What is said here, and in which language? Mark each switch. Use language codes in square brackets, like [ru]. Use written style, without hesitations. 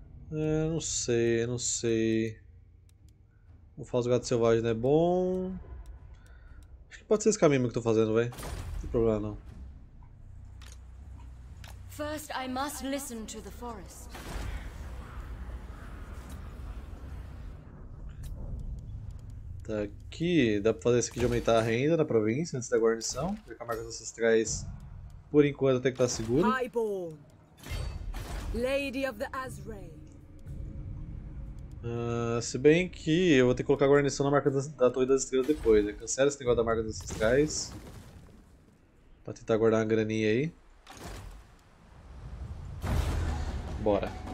[pt] Não sei. O falso gato selvagem não é bom. Acho que pode ser esse caminho que estou fazendo, véio. Não tem problema não. [en] First, I must listen to the forest. [pt] Tá aqui, dá pra fazer isso aqui de aumentar a renda na província antes da guarnição. Ver com a marca dos ancestrais por enquanto até que tá seguro. [en] Highborn, Lady of the Azray. [pt] Se bem que eu vou ter que colocar a guarnição na marca da Torre das Estrelas depois, né? Cancela esse negócio da marca dos ancestrais pra tentar guardar uma graninha aí. Bora.